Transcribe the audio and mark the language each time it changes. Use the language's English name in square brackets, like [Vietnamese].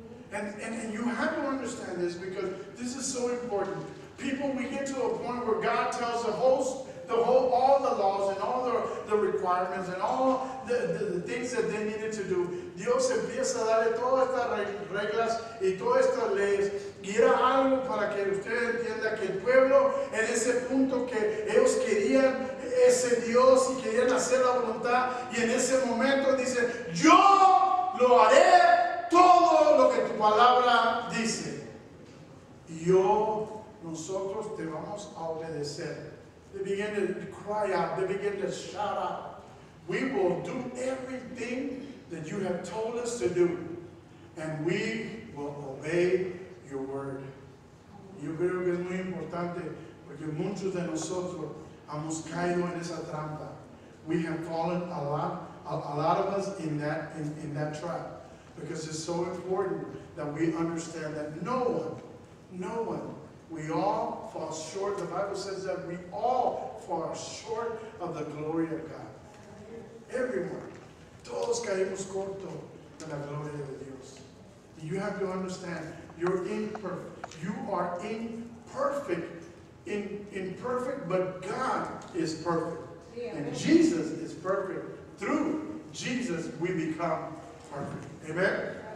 [English] And you have to understand this because this is so important. People, we get to a point where God tells all the laws and all the requirements and all the things that they needed to do. [Spanish] Dios empieza a darle todas estas reglas y todas estas leyes. Y era algo para que usted entienda que el pueblo en ese punto que ellos querían ese Dios y querían hacer la voluntad y en ese momento dice, yo lo haré todo lo que tu palabra dice. Nosotros te vamos a obedecer. [English] They begin to cry out. They begin to shout out. We will do everything that you have told us to do. And we will obey your word. [Spanish] Yo creo que es muy importante porque muchos de nosotros hemos caído en esa trampa. [English] We have fallen a lot of us in that trap. Because it's so important that we understand that no one, we all fall short. The Bible says that we all fall short of the glory of God. Everyone. [Spanish] Todos caímos corto de la gloria de Dios. [English] You have to understand, you're imperfect. You are imperfect. Imperfect, but God is perfect. And Jesus is perfect. Through Jesus, we become perfect. Amen?